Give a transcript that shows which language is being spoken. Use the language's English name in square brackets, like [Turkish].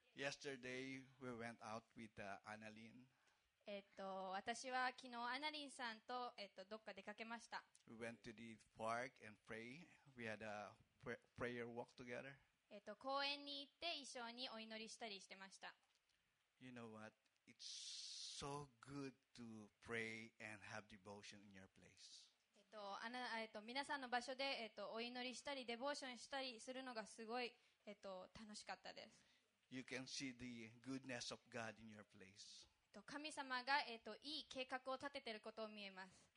[English] Yesterday we went out with Annalyn. [Japanese] 私は昨日アナリンさんと、どっか出かけました。 [English] We went to the park and pray. We had a prayer walk together. [Japanese] 公園に行って一緒にお祈りしたりしてました。 [English] You know what? It's so good to pray and have devotion in your place. [Japanese] 皆さんの場所で、お祈りしたりデボーションしたりするのがすごい、楽しかったです。 [English] You can see the goodness of God in your place. [Japanese] 神様が、いい計画を立てていることを見えます。